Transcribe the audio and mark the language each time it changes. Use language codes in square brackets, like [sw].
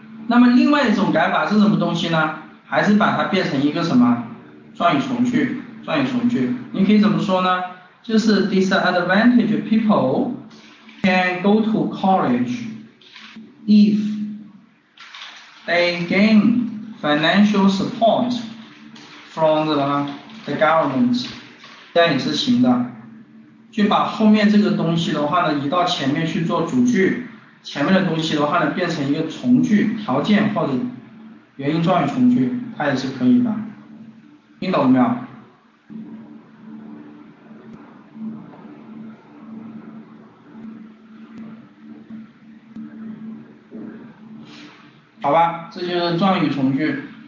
[zh] 那么另外一种改法是什么东西呢？还是把它变成一个什么状语从句，状语从句你可以怎么说呢？就是 [en] disadvantaged people can go to college if they gain financial support from the government，这样也是行的。 [zh] 就把后面这个东西的话呢移到前面去做主句，前面的东西的话呢变成一个从句，条件或者原因状语从句，它也是可以的，听懂了没有？好吧，这就是状语从句。